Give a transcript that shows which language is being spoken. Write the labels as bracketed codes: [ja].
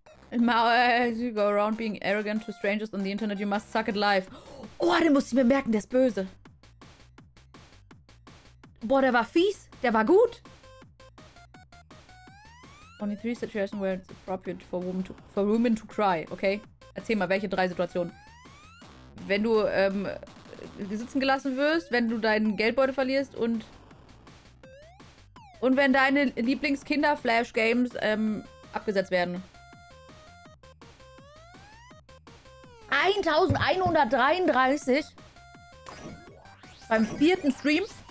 [en] As you go around being arrogant to strangers on the internet, you must suck at life. [de] Oh, den musste ich mir merken, der ist böse. Boah, der war fies. Der war gut. [en] Only 3 situations where it's appropriate for women to cry, okay? [de] Erzähl mal, welche 3 Situationen? Wenn du sitzen gelassen wirst, wenn du deinen Geldbeutel verlierst und... Und wenn deine Lieblings-Kinder-Flash-Games abgesetzt werden. 1133? Beim 4. Stream?